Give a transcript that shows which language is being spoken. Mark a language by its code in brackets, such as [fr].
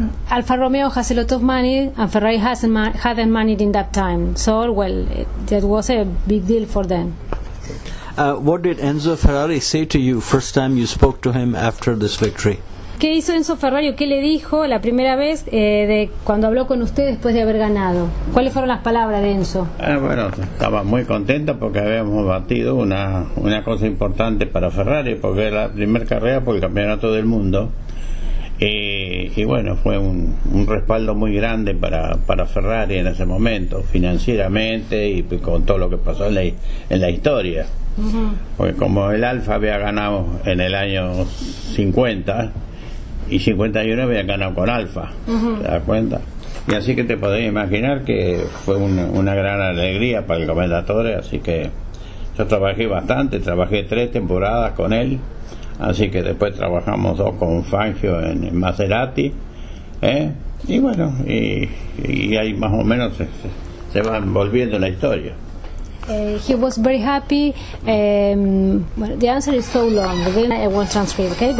[en] Alfa Romeo has a lot of money and Ferrari hadn't money in that time. So well, that was a big deal for them. What did Enzo Ferrari say to you first time you spoke to him after this victory? [es] ¿Qué hizo Enzo Ferrari? ¿Qué le dijo la primera vez de cuando habló con usted después de haber ganado? ¿Cuáles fueron las palabras de Enzo? Bueno, estaba muy contenta porque habíamos batido una cosa importante para Ferrari, porque era la primera carrera por el campeonato del mundo. Y bueno, fue un respaldo muy grande para Ferrari en ese momento, financieramente y con todo lo que pasó en la historia. Porque como el Alfa había ganado en el año 50 y 51 había ganado con Alfa, ¿te das cuenta? Y así que te podés imaginar que fue una gran alegría para el comendatore. Así que yo trabajé bastante, trabajé 3 temporadas con él, así que después trabajamos 2 con Fangio en Maserati, y bueno, y ahí más o menos se va envolviendo la historia. [en] He was very happy. Well, the answer is so long, but then I won't transcribe, okay?